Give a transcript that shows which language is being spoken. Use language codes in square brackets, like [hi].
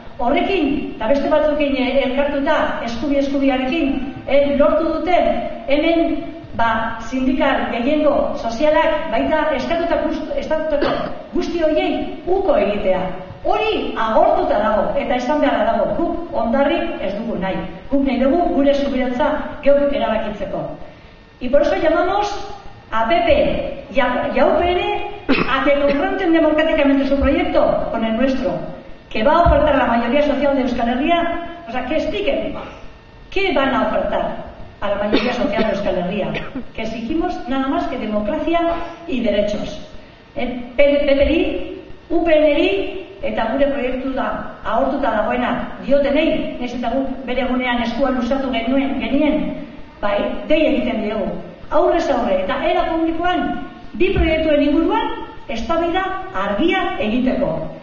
[eu] Horrekin, eta beste batzukin elkartuta eskubiarekin, lortu dute hemen sindikal gehiengo sozialak baita estatutako guzti horiei uko egitea. Hori agortuta dago eta esan beharra dago, guk ondarrik ez dugu nahi. Guk nahi dugu gure eskubiratza geuk erabakitzeko. [es] Y por eso llamamos a PP y a UPN a que confronten democráticamente su proyecto con el nuestro, que va a ofertar a la mayoría social de Euskal Herria, o sea, que expliquen qué van a ofertar a la mayoría social de Euskal Herria, que exigimos nada más que democracia y derechos. [eu] PPRi, UPNRi, eta gure proiektu da, ahortuta dagoena, diotenei, nez eta guk bere gunean eskua luzatu genien, bai, dei egiten diegu. Aurrez aurre, eta era publikoan, bi proiektuen inguruan, eztabaida argia egiteko.